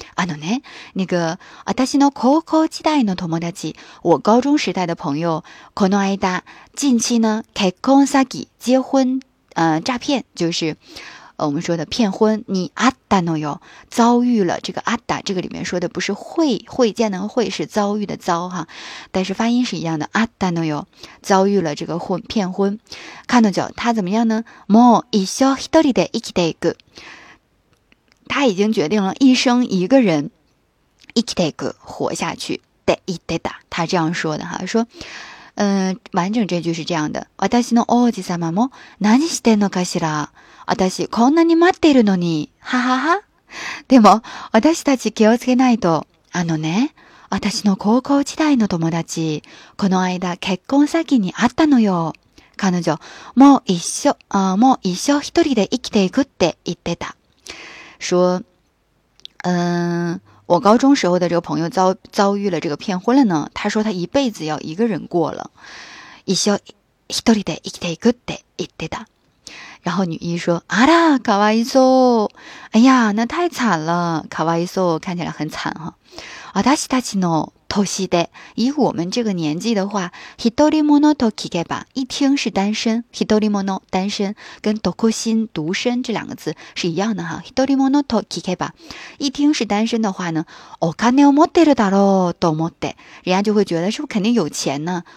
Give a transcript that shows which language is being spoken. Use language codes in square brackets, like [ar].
[ja] あのね， [zh] 那个 [ja] 私の高校時代の友達， [zh] 我高中时代的朋友， [ja] この間 [zh] 近期呢 [ja] 結婚詐欺， [zh] 结婚诈骗，就是我们说的骗婚，你 [ja] あったのよ， [zh] 遭遇了，这个あった，这个里面说的不是会见的会，是遭遇的遭哈，但是发音是一样的，あったのよ，遭遇了这个骗婚，彼女她怎么样呢？ [ja] もう一生一人で生きていく， [zh] 她已经决定了一生一个人 [ja] 生きていく， [zh] 活下去， [ja] で生きてた， [zh] 她这样说的哈，说。完整这句是这样的。 [ja] 私の王子様も何してんのかしら。私こんなに待ってるのに。はは は。でも私たち気をつけないと。あのね、私の高校時代の友達、この間結婚詐欺にあったのよ。彼女、もう一生一人で生きていくって言ってた。 [zh] 说、我高中时候的这个朋友遭遇了这个骗婚了呢，他说他一辈子要一个人过了。 [ja] 一生一人で生きていくって言ってた。 [zh] 然后女一说， [ja] あら、かわいそう。 [zh] 哎呀，那太惨了。 [ja] かわいそう， [zh] 看起来很惨哈。 [ja] 私たちの年で， [zh] 以我们这个年纪的话， [ja] 一人ものと聞けば， [zh] 一听是单身， [ja] 一人もの [zh] 单身，跟独身这两个字是一样的哈。 [ja] 一人ものと聞けば， [zh] 一听是单身的话呢， [ja] お金を持ってるだろうと思って， [zh] 人家就会觉得是不是肯定有钱呢？